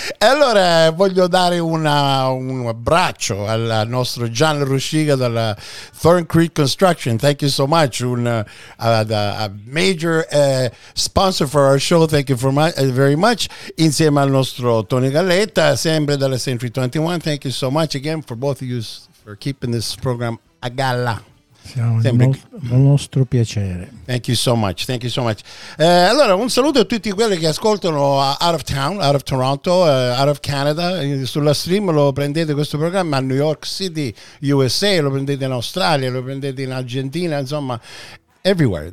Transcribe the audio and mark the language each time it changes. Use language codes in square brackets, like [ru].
[it] E allora voglio dare un abbraccio al nostro Gian Ruscica dalla Thorn Creek Construction. [en] Thank you so much. Major sponsor for our show. Thank you very much. [it] Insieme al nostro Tony Galletta, sempre dalla Century 21. [en] Thank you so much again for both of you for keeping this program [it] a galla. Il nostro piacere. [en] Thank you so much. [it] Allora un saluto a tutti quelli che ascoltano [en] out of town, out of Toronto, out of Canada. [it] Sulla stream lo prendete questo programma a New York City, USA, lo prendete in Australia, lo prendete in Argentina, insomma everywhere.